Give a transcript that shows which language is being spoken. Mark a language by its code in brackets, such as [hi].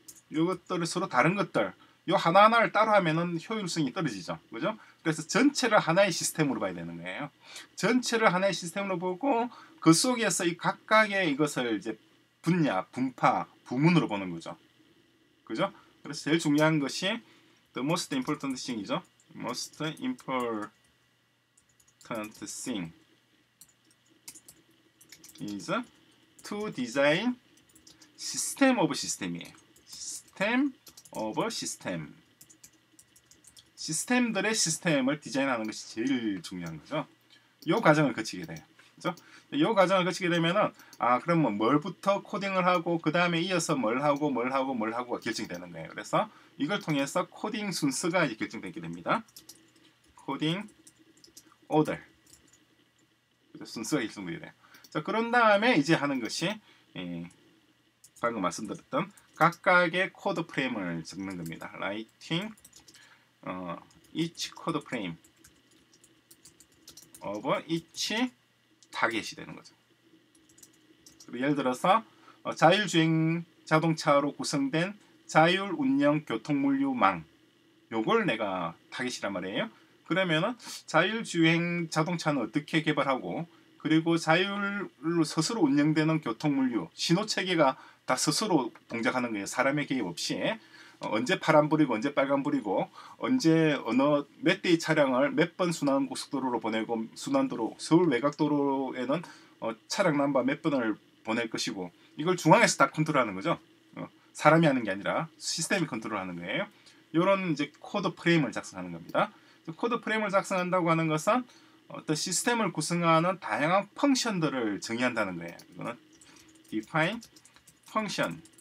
[ko] 이것들을 서로 다른 것들, 요 하나하나를 따로 하면은 효율성이 떨어지죠. 그죠? 그래서 전체를 하나의 시스템으로 봐야 되는 거예요. 전체를 하나의 시스템으로 보고 그 속에서 이 각각의 이것을 이제 분야, 분파, 부문으로 보는 거죠. 그죠? 그래서 제일 중요한 것이 [en] the most important thing [ko] 이죠. [en] Most important thing is to design system of system이에요. System of system. [ko] 시스템들의 시스템을 디자인하는 것이 제일 중요한 거죠. 요 과정을 거치게 돼요. 그렇죠? 요 과정을 거치게 되면은 아 그러면 뭘부터 코딩을 하고 그 다음에 이어서 뭘 하고가 결정이 되는 거예요. 그래서 이걸 통해서 코딩 순서가 이제 결정되게 됩니다. 코딩 오더 순서가 결정되게 돼요. 자 그런 다음에 이제 하는 것이 방금 말씀드렸던 각각의 코드 프레임을 적는 겁니다. [en] 라이팅 each code frame of each target이 [ko] 되는 거죠. 그리고 예를 들어서 자율주행 자동차로 구성된 자율운영 교통물류망 요걸 내가 target이란 말이에요. 그러면은 자율주행 자동차는 어떻게 개발하고 그리고 자율로 스스로 운영되는 교통물류 신호체계가 다 스스로 동작하는 거예요. 사람의 개입 없이 언제 파란불이고 언제 빨간불이고 언제 어느 몇 대의 차량을 몇 번 순환고속도로로 보내고 순환도로 서울 외곽도로에는 차량 넘버 몇 번을 보낼 것이고 이걸 중앙에서 다 컨트롤하는 거죠. 사람이 하는 게 아니라 시스템이 컨트롤하는 거예요. 이런 이제 코드 프레임을 작성하는 겁니다. 코드 프레임을 작성한다고 하는 것은 어떤 시스템을 구성하는 다양한 펑션들을 정의한다는 거예요. [en] 이거는 define function.